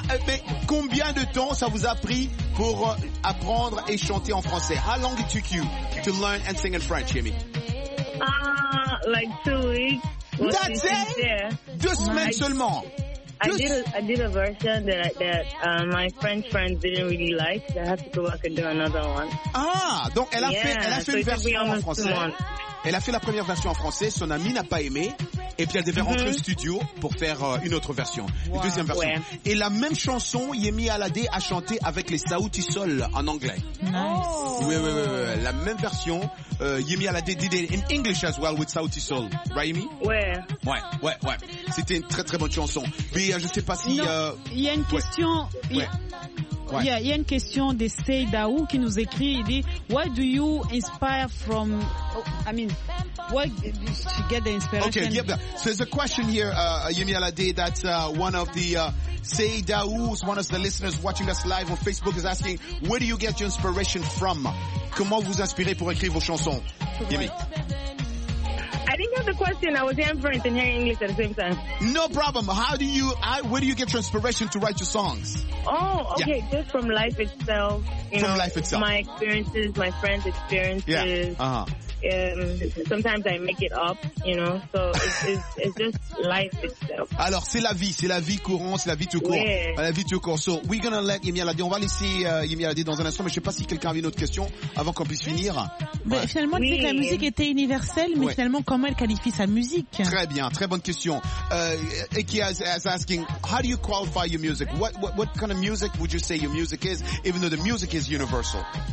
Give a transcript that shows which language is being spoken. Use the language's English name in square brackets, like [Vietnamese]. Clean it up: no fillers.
[French] Mais combien de temps ça vous a pris pour apprendre et chanter en français? [English] How long it took you to learn and sing in French, Yemi? Like 2 weeks. That's it. [French] 2 semaines seulement. [English] I did a version that my French friends didn't really like. So I had to go back and do another one. [French] Ah, donc elle a fait une version en français. Elle a fait la première version en français. Son amie n'a pas aimé. Et puis elle devait rentrer au studio pour faire une autre version, une deuxième version. Ouais. Et la même chanson, Yemi Alade a chanté avec les Saouti Sol en anglais. Nice. Oui, oui, oui, oui. La même version, [English] Yemi Alade did it in English as well with Saouti Sol, right, Yemi? [French] Ouais. Ouais, ouais, ouais. C'était une très très bonne chanson. Mais je sais pas si. Il y a une question. Il y a une question de Sey Daou qui nous écrit. Il dit, [English] what do you inspire from? Oh, I mean. What, to get the inspiration? Okay, yep. So there's a question here, Yemi Alade, that one of the Sey Daou, one of the listeners watching us live on Facebook, is asking, where do you get your inspiration from? [French] Comment vous inspirez pour écrire vos chansons, Yemi? [English] I didn't have the question. I was hearing French and hearing English at the same time. No problem. Where do you get inspiration to write your songs? Oh, okay. Yeah. Just from life itself. From life itself. My experiences, my friends' experiences. Yeah. Sometimes I make it up, you know. So it's just life itself. [French] Alors, c'est la vie. C'est la vie courante. C'est la vie tout court. [English] Yeah. [French] La vie tout court. [English] So we're going to let Yemi Alade. [French] On va laisser Yemi Alade dans un instant. Mais je ne sais pas si quelqu'un avait une autre question avant qu'on puisse finir. Ouais. Mais finalement, tu sais que la musique était universelle, mais finalement, comment elle qualifie sa musique? Très bien, très bonne question. [English] Eki is asking, how do you qualify your music? What kind of music would you say your music is, even though the music is universal?